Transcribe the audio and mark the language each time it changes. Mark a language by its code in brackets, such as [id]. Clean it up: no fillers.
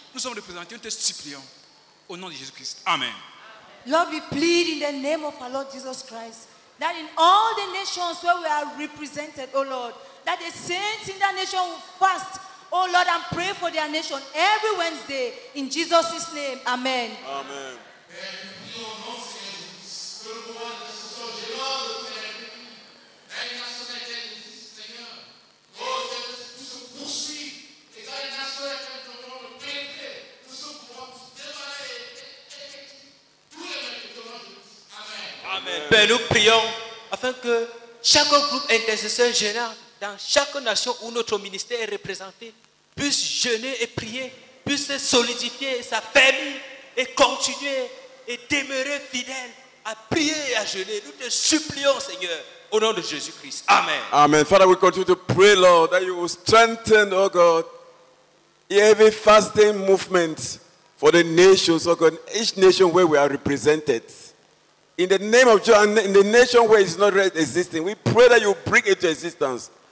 [fr] Nous sommes représentés. On te supplions au nom de Jésus-Christ. Amen. [en] Lord, we plead in the name of our Lord Jesus Christ that in all the nations where we are represented, oh Lord, that the saints in that nation will fast, oh Lord, and pray for their nation every Wednesday in Jesus' name. Amen. Amen. [fr] Père, nous prions afin que chaque groupe intercesseur jeûneur dans chaque nation où notre ministère est représenté puisse jeûner et prier, puisse se solidifier sa famille et continuer et demeurer fidèle à prier et à jeûner. Nous te supplions, Seigneur, au nom de Jésus-Christ. Amen. Amen. [en] Father, we continue to pray, Lord, that you will strengthen, oh God, every fasting movement for the nations, oh God, each nation where we are represented. In the name of John, in the nation where it's not existing, we pray that you bring it to existence.